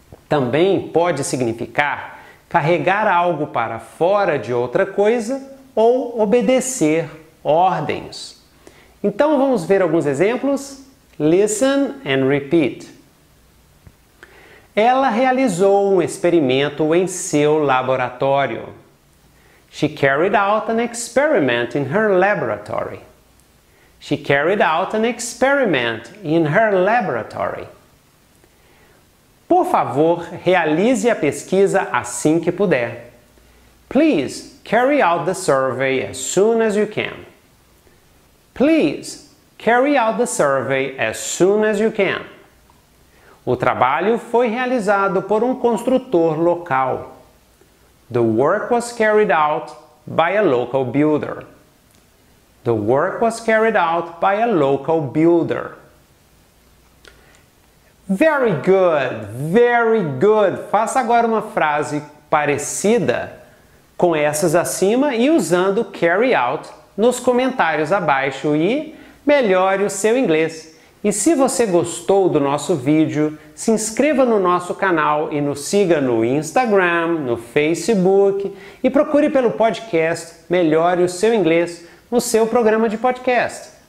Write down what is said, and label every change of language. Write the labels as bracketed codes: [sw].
[pt] Também pode significar carregar algo para fora de outra coisa ou obedecer ordens. Então vamos ver alguns exemplos? [en] Listen and repeat. [pt] Ela realizou um experimento em seu laboratório. [en] She carried out an experiment in her laboratory. She carried out an experiment in her laboratory. [pt] Por favor, realize a pesquisa assim que puder. [en] Please carry out the survey as soon as you can. Please carry out the survey as soon as you can. [pt] O trabalho foi realizado por um construtor local. [en] The work was carried out by a local builder. The work was carried out by a local builder. Very good, very good. [pt] Faça agora uma frase parecida com essas acima e usando carry out nos comentários abaixo e melhore o seu inglês. E se você gostou do nosso vídeo, se inscreva no nosso canal e nos siga no Instagram, no Facebook e procure pelo podcast Melhore o Seu Inglês no seu programa de podcast.